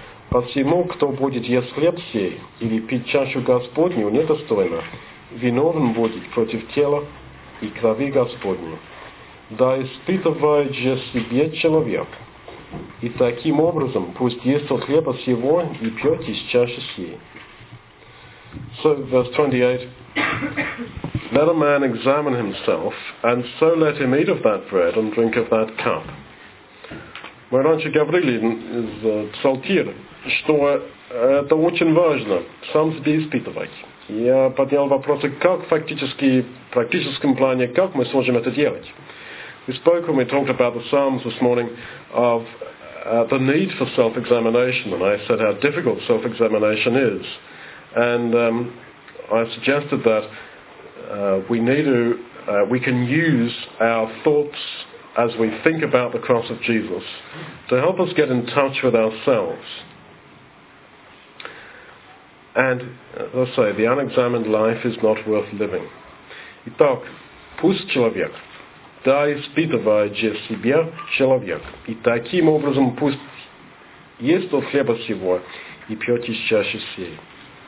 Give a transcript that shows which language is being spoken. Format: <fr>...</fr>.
<ru>Посему, кто будет есть хлеб сей или пить чашу Господню недостойно, виновен будет против тела и крови Господней. Да испытывает же себе человек. И таким образом, пусть ест от хлеба сего и пьет из чаши сей».</ru> <en>So, verse 28, let a man examine himself, and so let him eat of that bread and drink of that cup.</en> <ru>Мы раньше говорили из Псалтира, что это очень важно, сам себе испытывать. Я поднял вопросы, как фактически, в практическом плане, как мы сможем это делать.</ru> <en>We spoke when we talked about the Psalms this morning of the need for self-examination, and I said how difficult self-examination is. And I suggested that we can use our thoughts as we think about the cross of Jesus to help us get in touch with ourselves. And let's say the unexamined life is not worth living.</en> <ru>Итак, пусть человек, да испытывает же себя человек, и таким образом пусть ест от хлеба сего и пьет из чаши сей.</ru>